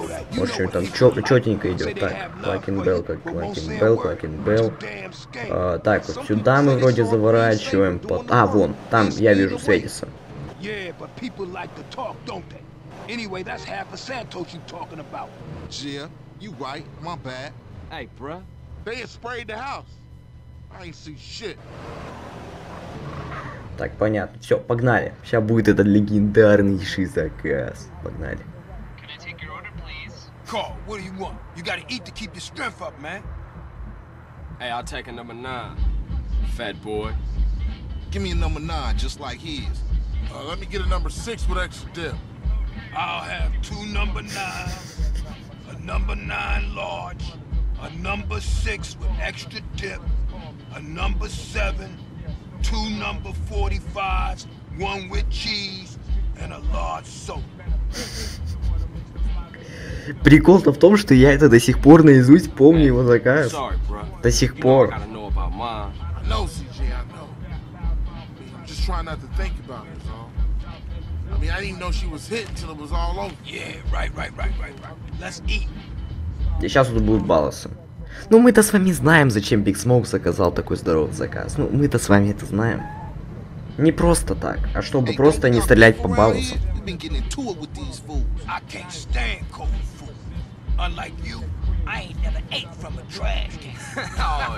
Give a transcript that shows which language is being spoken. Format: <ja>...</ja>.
<ru>В общем, там чётенько идёт. Так,</ru> <en>Clock and Bell, Clock and Bell, Clock and Bell.</en> <ru>Так, вот сюда мы вроде заворачиваем. А, вон, там я вижу светится.</ru> <en>Yeah, but people like to talk, don't they? Anyway, that's half a Santos you talking about. Yeah, you right, my bad. Hey, bruh. They have sprayed the house. I ain't see shit.</en> <ru>Так, понятно. Все, погнали. Сейчас будет этот легендарнейший заказ. Погнали.</ru> <en>Can I take your order, please? Carl, what do you want? You gotta eat to keep your strength up, man. Hey, I'll take a number 9, fat boy. Give me a number 9, just like his. Let me get a number 6 with extra dip. I'll have 2 number 9s, a number 9 large, a number 6 with extra dip, a number 7, 2 number 45s, 1 with cheese, and a large soap.</en> <ru>Прикол-то в том, что я это до сих пор наизусть помню его заказ.</ru> <en>Sorry, bro.</en> <ru>До сих пор.</ru> <en>You know, I gotta know about mine. I know, CJ, I know. I'm just trying not to think about it. I mean, I didn't know she was hit until it was all over. Yeah, right. Let's eat.</en> <ru>И сейчас тут будут балосы. Ну, мы-то с вами знаем, зачем Big Smoke заказал такой здоровый заказ. Ну, мы-то с вами это знаем. Не просто так, а чтобы просто не стрелять по балосам.</ru> <en>You've been getting into it with these fools. I can't stand cold food. Unlike you, I ain't never ate from a trash can.</en>